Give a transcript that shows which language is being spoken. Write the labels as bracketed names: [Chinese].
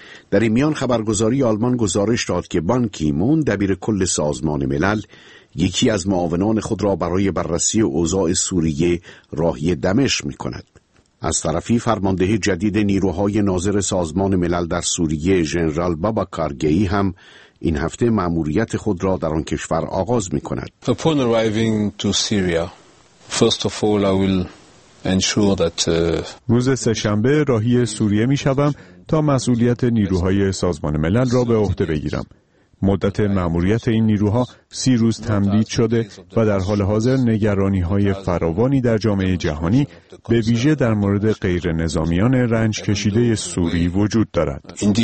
[Persian] در این میان خبرگزاری آلمان گزارش داد که بان کی‌مون دبیر کل سازمان ملل یکی از معاونان خود را برای بررسی اوضاع سوریه راهی دمشق می‌کند. از طرفی فرمانده جدید نیروهای ناظر سازمان ملل در سوریه ژنرال بابا کارگئی هم این هفته مأموریت خود را در آن کشور آغاز می‌کند. [English] Upon arriving to Syria, first of all I will ensure that [Persian] روز سه‌شنبه راهی سوریه می‌شوم تا مسئولیت نیروهای سازمان ملل را به عهده بگیرم. مدت مأموریت این نیروها 30 روز تمدید شده و در حال حاضر نگرانی‌های فراوانی در جامعه جهانی به ویژه در مورد غیر نظامیان رنج کشیده سوری وجود دارد.